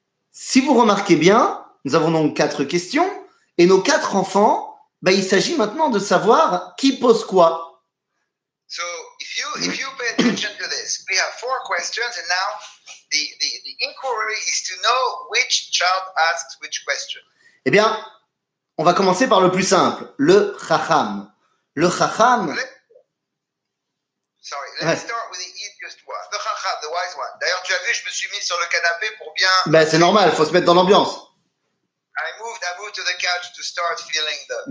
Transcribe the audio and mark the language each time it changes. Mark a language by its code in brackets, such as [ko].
[fr] Si vous remarquez bien, nous avons donc quatre questions et nos quatre enfants, bah, il s'agit maintenant de savoir qui pose quoi. [en] So if you pay attention to this, we have four questions and now the inquiry is to know which child asks which question. [fr] Eh bien, on va commencer par le plus simple, le chacham. Le chacham. [en] Let's start with the easiest one, the chacham, the wise one. [fr] D'ailleurs, tu as vu, je me suis mis sur le canapé pour bien. Ben, c'est normal, faut se mettre dans l'ambiance. [en] I moved to the couch to start feeling the.